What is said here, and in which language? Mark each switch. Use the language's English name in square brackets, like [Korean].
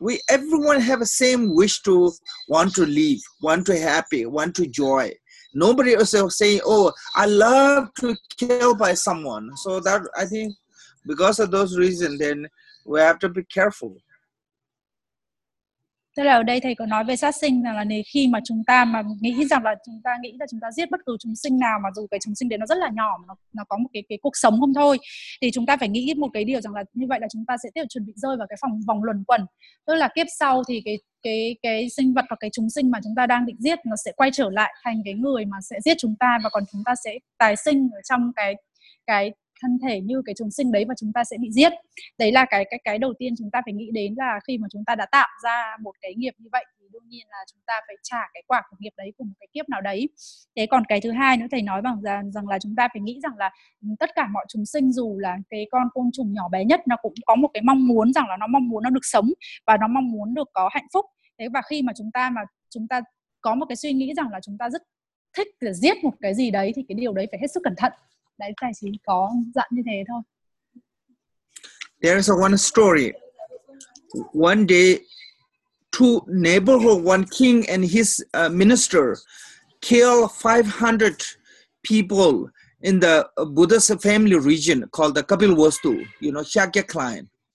[English] Everyone have a same wish to want to live, want to happy, want to joy. Nobody is saying, oh, I love to kill by someone. So that I think because of those reasons, then we have to be careful. [Vietnamese] Tức là ở đây thầy có nói về sát sinh rằng là nếu khi mà chúng ta mà nghĩ rằng là chúng ta nghĩ là chúng ta giết bất cứ chúng sinh nào, mà dù cái chúng sinh đấy nó rất là nhỏ, nó có một cái cuộc sống không thôi, thì chúng ta phải nghĩ một cái điều rằng là như vậy là chúng ta sẽ tiếp tục chuẩn bị rơi vào cái vòng luẩn quẩn, tức là kiếp sau thì cái sinh vật hoặc cái chúng sinh mà chúng ta đang định giết nó sẽ quay trở lại thành cái người mà sẽ giết chúng ta, và còn chúng ta sẽ tái sinh ở trong cái thân thể như cái chúng sinh đấy, và chúng ta sẽ bị giết. Đấy là cái đầu tiên chúng ta phải nghĩ đến, là khi mà chúng ta đã tạo ra một cái nghiệp như vậy thì đương nhiên là chúng ta phải trả cái quả của nghiệp đấy cùng một cái kiếp nào đấy. Thế còn cái thứ hai nữa thầy nói rằng là chúng ta phải nghĩ rằng là tất cả mọi chúng sinh, dù là cái con côn trùng nhỏ bé nhất, nó cũng có một cái mong muốn rằng là nó mong muốn nó được sống và nó mong muốn được có hạnh phúc. Thế và khi mà chúng ta có một cái suy nghĩ rằng là chúng ta rất thích là giết một cái gì đấy thì cái điều đấy phải hết sức cẩn thận. Đấy, tài chỉ có dặn như thế thôi. [English] There is a one story. One day, two neighborhood, one king and his minister kill 500 people in the Buddha's family region called the Kapilvastu, you know, Shakya clan.